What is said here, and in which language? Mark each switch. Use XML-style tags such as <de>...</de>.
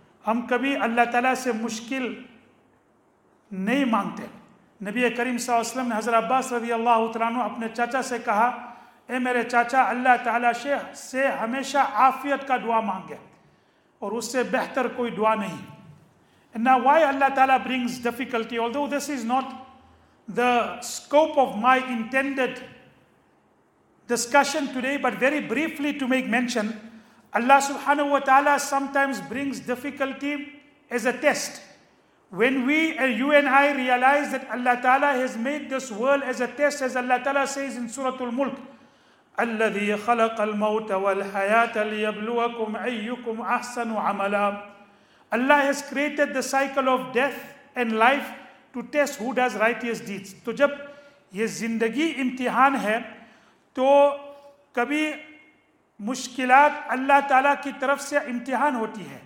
<ur>ہم کبھی اللہ تعالیٰ سے مشکل نہیں مانگتے. نبی کریم صلی اللہ علیہ وسلم نے حضرت عباس رضی اللہ تعالیٰ عنہ اپنے چاچا سے کہا, اے میرے چاچا, اللہ تعالیٰ شیخ سے ہمیشہ عافیت کا دعا مانگے, اور اس سے بہتر کوئی دعا نہیں.</ur> <en>And now why Allah Ta'ala brings difficulty, although this is not the scope of my intended discussion today, but very briefly to make mention, Allah Subhanahu wa Ta'ala sometimes brings difficulty as a test. When we, you and I, realize that Allah Ta'ala has made this world as a test, as Allah Ta'ala says in Surah Al-Mulk,</en> <ar>الَّذِي خَلَقَ الْمَوْتَ وَالْحَيَاةَ لِيَبْلُوَكُمْ أَيُّكُمْ أَحْسَنُ عَمَلًا.</ar> <en>Allah has created the cycle of death and life to test who does righteous deeds.</en> <ur>تو جب یہ زندگی امتحان ہے تو کبھی مشکلات اللہ تعالیٰ کی طرف سے امتحان ہوتی ہے.</ur>